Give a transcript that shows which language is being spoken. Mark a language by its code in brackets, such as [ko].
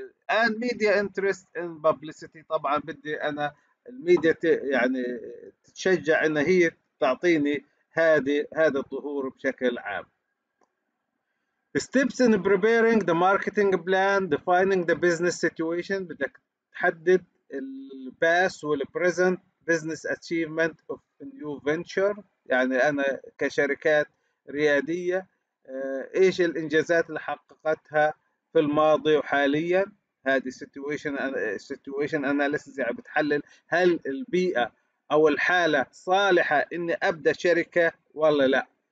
[en] in media interest in publicity, [ar] طبعا بدي انا الميديا يعني تشجع ان هي تعطيني هذا الظهور بشكل عام. [en] Steps in preparing the marketing plan, defining the business situation. [ar] بدك تحدد [en] الباس والبريزنت business achievement of new venture, [ar] يعني انا كشركات رياديه ايش الانجازات اللي حققتها في الماضي وحاليا. هذه situation analysis، يعني بتحلل هل البيئه او الحاله صالحه اني ابدا شركه ولا لا.